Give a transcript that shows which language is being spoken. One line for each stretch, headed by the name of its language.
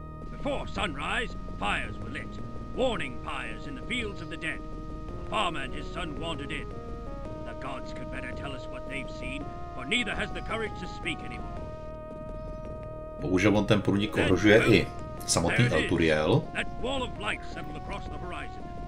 English: Before sunrise, fires were lit. Warning fires in the fields of the dead. A farmer and his son wandered in. The gods could better tell us what they've seen, for neither has the courage to speak anymore.
Czech: Bohužel on ten průnik ohrožuje i samotný El Turiel.
English: That wall of light settled across the horizon.